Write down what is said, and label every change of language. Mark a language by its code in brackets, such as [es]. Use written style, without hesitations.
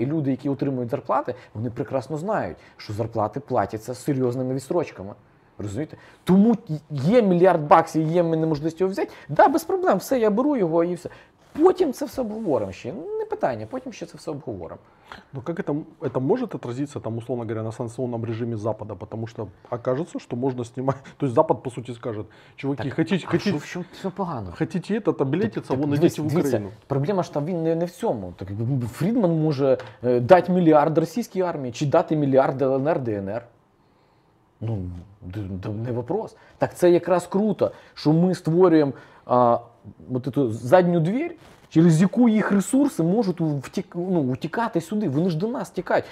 [uk] І люди, які отримують зарплати, вони прекрасно знають, що зарплати платяться серйозними відстрочками. Розумієте? Тому є мільярд баксів, є мені можливість його взяти. Так, да, без проблем, все, я беру його і все. Потім це все обговоримо ще. Не питання, потім ще це все обговоримо. [ru] Ну, как это может отразиться, там, условно говоря, на санкционном режиме Запада? Потому что окажется, что можно снимать... То есть Запад, по сути, скажет, чуваки, так, хотите... А хотите, в чем все погано? Хотите этот облететься, вон, идите в Украину. [uk] Дивіться, проблема ж там, він не в цьому. Так, Фрідман може дати мільярд російській армії, чи дати мільярд ЛНР, ДНР. Ну, [ru] не вопрос. [uk] Так це якраз круто, що ми створюємо от эту задню дверь, через яку їх ресурси можуть утікати сюди. Вони ж до нас тікають.